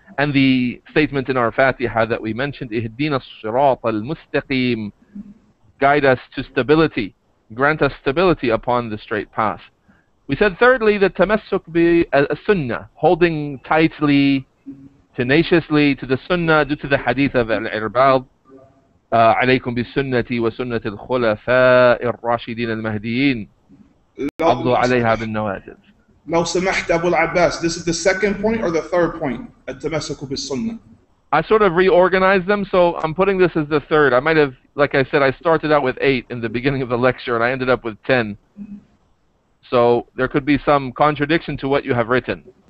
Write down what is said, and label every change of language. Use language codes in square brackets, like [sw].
[en] And the statement in our Fatiha that we mentioned, [ar] اِهْدِينَ الصِّرَاطَ الْمُسْتَقِيمِ, [en] guide us to stability, grant us stability upon the straight path. We said thirdly, the [ar] تَمَسُّكْ بِالسُنَّةِ, [en] holding tightly tenaciously to the Sunnah due to the hadith of Al-Irbad. [ar] عليكم بالسنة وسنة الخلفاء الراشدين المهديين. قضوا عليها بالنوازل. لو سمحت أبو العباس, [en] this is the second point or the third point? [ar] التمسك بالسنة. [en] I sort of reorganized them, so I'm putting this as the third. I might have, like I said, I started out with 8 in the beginning of the lecture, and I ended up with 10. So there could be some contradiction to what you have written.